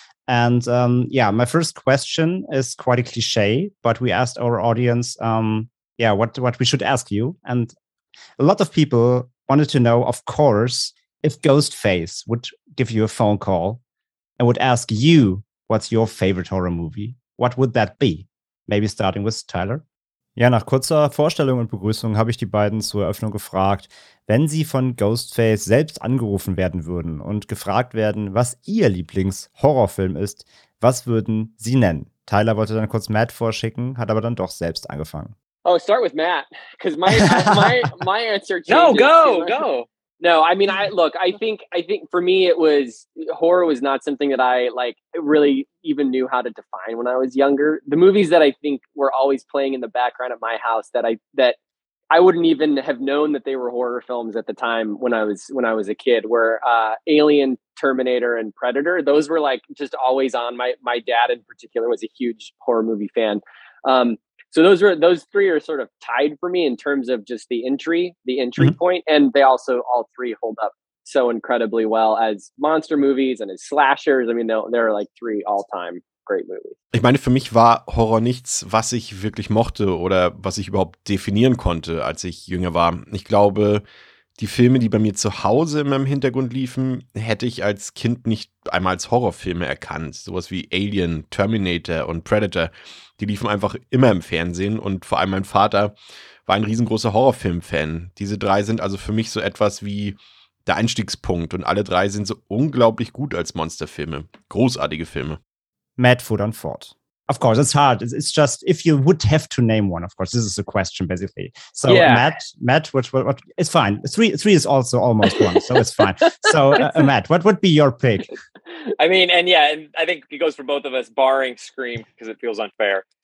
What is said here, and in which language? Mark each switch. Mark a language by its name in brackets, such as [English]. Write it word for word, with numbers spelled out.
[English] And um, yeah, my first question is quite a cliche, but we asked our audience, um, yeah, what what we should ask you. And a lot of people wanted to know, of course, if Ghostface would give you a phone call and would ask you, what's your favorite horror movie? What would that be? Maybe starting with Tyler. [German] Ja, nach kurzer Vorstellung und Begrüßung habe ich die beiden zur Eröffnung gefragt, wenn sie von Ghostface selbst angerufen werden würden und gefragt werden, was ihr Lieblings-Horrorfilm ist, was würden sie nennen? Tyler wollte dann kurz Matt vorschicken, hat aber dann doch selbst angefangen. [English] Oh, start with Matt, because my my my answer changes. No, go, go. No, I mean, I look. I think, I think for me, it was horror was not something that I like really even knew how to define when I was younger. The movies that I think were always playing in the background at my house that I that I wouldn't even have known that they were horror films at the time when I was when I was a kid. Were uh, Alien, Terminator, and Predator. Those were like just always on. My my dad in particular was a huge horror movie fan. Um, So those are those three are sort of tied for me in terms of just the entry, the entry mm-hmm. point, and they also all three hold up so incredibly well as monster movies and as slashers. I mean, they're, they're like three all-time great movies. [German] Ich meine, für mich war Horror nichts, was ich wirklich mochte oder was ich überhaupt definieren konnte, als ich jünger war. Ich glaube, die Filme, die bei mir zu Hause in meinem Hintergrund liefen, hätte ich als Kind nicht einmal als Horrorfilme erkannt. Sowas wie Alien, Terminator und Predator, die liefen einfach immer im Fernsehen und vor allem mein Vater war ein riesengroßer Horrorfilm-Fan. Diese drei sind also für mich so etwas wie der Einstiegspunkt und alle drei sind so unglaublich gut als Monsterfilme. Großartige Filme. Matt fuhr dann fort. [English] Of course, it's hard. It's it's just if you would have to name one. Of course, this is the question basically. So yeah. Matt, Matt, what, what, what? It's fine. Three, three is also almost one, so it's fine. So uh, uh, Matt, what would be your pick? I mean, and yeah, and I think it goes for both of us, barring Scream because it feels unfair.